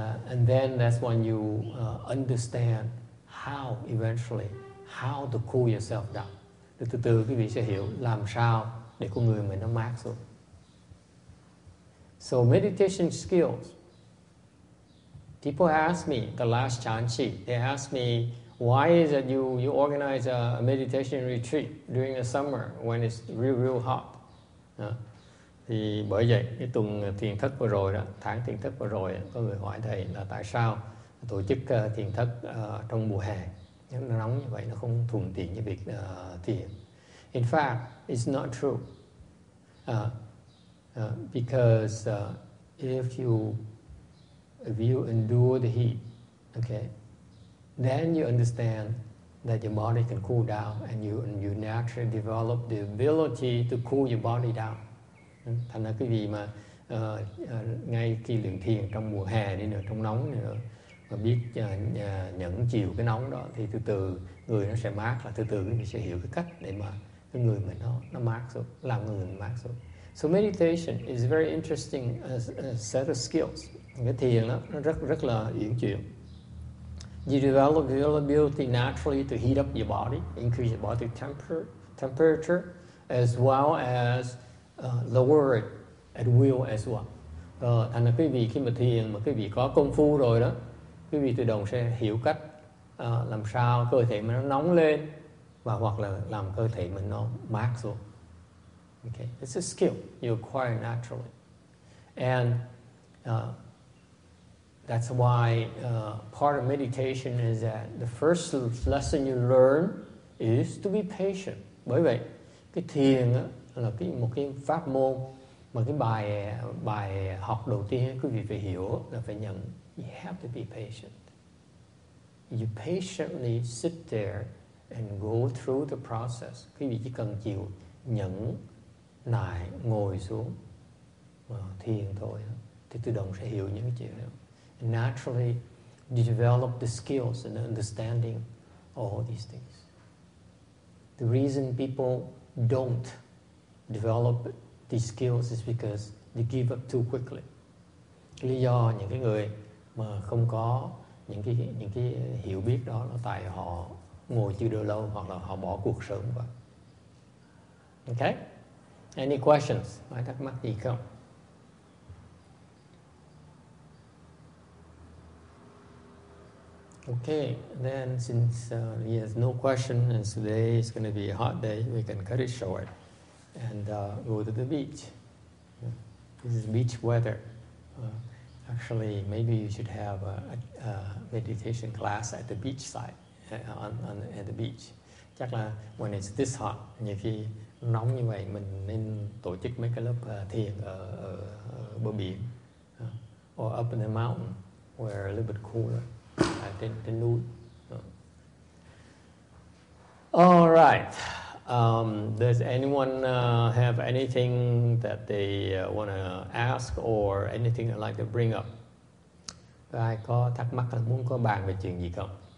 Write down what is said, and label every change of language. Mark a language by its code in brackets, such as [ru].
[en] And then that's when you understand how eventually how to cool yourself down. [vi] Được từ từ cái vị sẽ hiểu làm sao để con người mình nó mát xuống. [en] So meditation skills. People ask me, the last Chan Chi, they ask me, why is it you organize a meditation retreat during the summer when it's real, real hot? [vi] Thì bởi vậy, cái tuần thiền thất vừa rồi, đó, tháng thiền thất vừa rồi, có người hỏi thầy là tại sao tổ chức thiền thất trong mùa hè. Nó nóng như vậy, nó không thuận tiện như việc thiền. [en] In fact, it's not true. Because if you endure the heat, okay, then you understand that your body can cool down and you naturally develop the ability to cool your body down. [vi] Thành ra cái gì mà ngay khi luyện thiền trong mùa hè đi nữa, trong nóng nữa, mà biết nhẫn chịu cái nóng đó thì từ từ người nó sẽ mát, là từ từ mình sẽ hiểu cái cách để mà cái người mình nó mát xuống, làm người mình mát xuống. [en] So meditation is very interesting set of skills. [vi] Cái thiền đó, nó rất rất là uyển chuyển. [en] You develop the ability naturally to heat up your body, increase your body temperature, as well as lower it at will as well. [vi] Thành ra quý vị khi mà thiền, mà quý vị có công phu rồi đó, quý vị tự động sẽ hiểu cách làm sao cơ thể mình nó nóng lên và hoặc là làm cơ thể mình nó mát xuống. [en] Okay, it's a skill you acquire naturally, and that's why part of meditation is that the first lesson you learn is to be patient. [vi] Bởi vậy, cái thiền á là cái một cái pháp môn mà cái bài học đầu tiên quý vị phải hiểu là phải nhận. [en] You have to be patient. You patiently sit there and go through the process. [vi] Quý vị chỉ cần chịu nhẫn nại ngồi xuống thiền thôi thì tự động sẽ hiểu những cái chuyện đó. [en] And naturally, you develop the skills and the understanding of all these things. The reason people don't develop these skills is because they give up too quickly. [vi] Lý do những cái người mà không có những cái hiểu biết đó là tại họ ngồi chưa được lâu hoặc là họ bỏ cuộc sớm quá. Okay? Any questions? Ai thắc mắc gì không? [en] Okay, then since he has no question and today is going to be a hot day, we can cut it short and go to the beach. This is beach weather. Actually, maybe you should have a meditation class at the beach side, at the beach. [vi] Chắc là when it's this hot, nhiều khi nóng như vậy, mình nên tổ chức mấy cái lớp thiền ở bờ biển. [en] Or up in the mountain, where a little bit cooler, trên núi. All right. Does anyone have anything that they want to ask or anything they'd like to bring up? [vi] Ai có thắc mắc là muốn có bàn về chuyện gì không?